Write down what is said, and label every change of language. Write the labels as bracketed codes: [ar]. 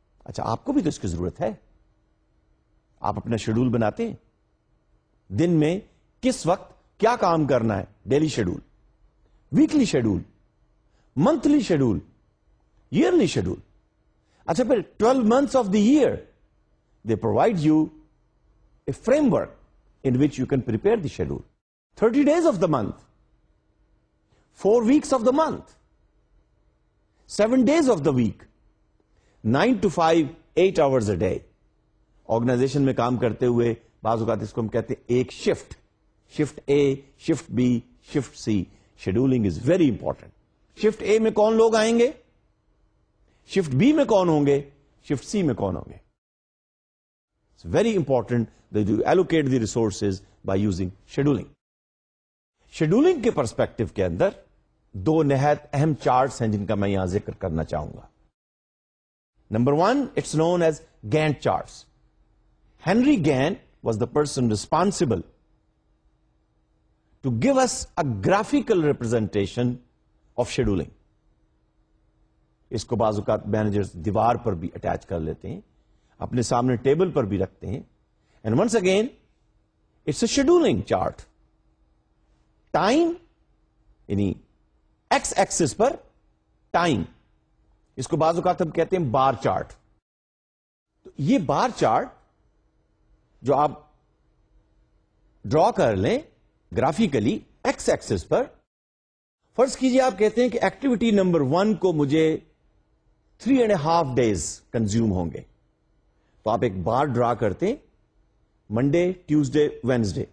[ur] اچھا آپ کو بھی تو اس کی ضرورت ہے. آپ اپنا شیڈول بناتے ہیں دن میں کس وقت کیا کام کرنا ہے, daily schedule, weekly schedule, monthly schedule, yearly schedule. [en] اچھا پھر 12 months of the year they provide you a framework in which you can prepare the schedule. 30 days of the month, 4 weeks of the month, 7 days of the week, 9 to 5, 8 hours a day. [ur] Organization میں کام کرتے ہوئے بعض اوقات اس کو ہم کہتے ہیں ایک shift, shift a, shift be, shift C. [en] Scheduling is very important. [ur] Shift اے میں کون لوگ آئیں گے, شفٹ بی میں کون ہوں گے, شفٹ سی میں کون ہوں گے. [en] It's very important that you allocate the resources by using scheduling. [ur] Scheduling کے پرسپیکٹو کے اندر دو نہایت اہم چارٹس ہیں جن کا میں یہاں ذکر کرنا چاہوں گا. [en] Number one, it's known as Gantt charts. Henry Gantt was the person responsible to give us a graphical representation of scheduling. [ur] اس کو بعض اوقات مینیجر دیوار پر بھی اٹیچ کر لیتے ہیں, اپنے سامنے ٹیبل پر بھی رکھتے ہیں. [en] And once again it's a scheduling chart. [ur] Time, یعنی ایکس ایکسس پر ٹائم. اس کو بعض اوقات ہم کہتے ہیں بار چارٹ. تو یہ بار چارٹ جو آپ ڈرا کر لیں گرافیکلی ایکس ایکسس پر, فرض کیجئے آپ کہتے ہیں کہ ایکٹیویٹی نمبر ون کو مجھے 3.5 days کنزیوم ہوں گے, تو آپ ایک بار ڈرا کرتے ہیں منڈے, ٹیوزڈے, وینزڈے.